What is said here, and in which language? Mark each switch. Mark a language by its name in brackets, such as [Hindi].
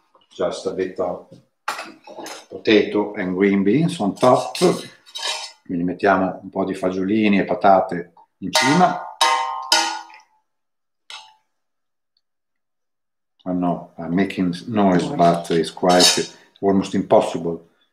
[English] Just a bit of potato and green beans on top. [Italian] Quindi mettiamo un po' di fagiolini e patate in cima. [English] I know I'm making noise, but it's quite almost impossible.